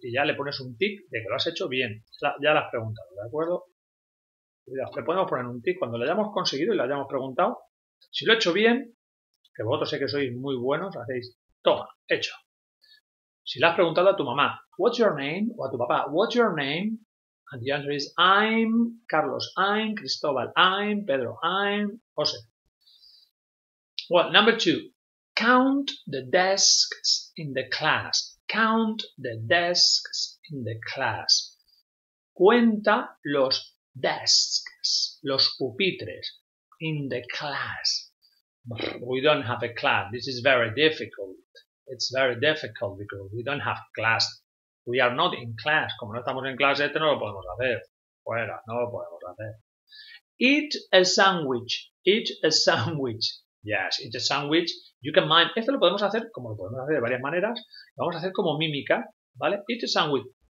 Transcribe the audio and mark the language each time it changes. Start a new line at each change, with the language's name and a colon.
Spanish: Y ya le pones un tic de que lo has hecho bien. Ya lo has preguntado. ¿De acuerdo? Cuidado, le podemos poner un tic cuando lo hayamos conseguido y lo hayamos preguntado. Si lo he hecho bien, que vosotros sé que sois muy buenos, hacéis, toma, hecho. Si le has preguntado a tu mamá,
English: what's your name?
Spanish: O a tu papá, what's your name?
English: And the answer is, I'm Carlos, I'm Cristóbal, I'm Pedro, I'm José. Well, number two, count the desks in the class. Count the desks in the class.
Spanish: Cuenta los desks, los pupitres,
English: in the class. We don't have a class. This is very difficult. It's very difficult because we don't have class. We are not in class.
Spanish: Como no estamos en clase, no lo podemos hacer. Fuera, no lo podemos hacer.
English: Eat a sandwich. Eat a sandwich. Yes, eat a sandwich. You can mime.
Spanish: Esto lo podemos hacer, como lo podemos hacer de varias maneras. Lo vamos a hacer como mímica, ¿vale?
English: Eat a sandwich.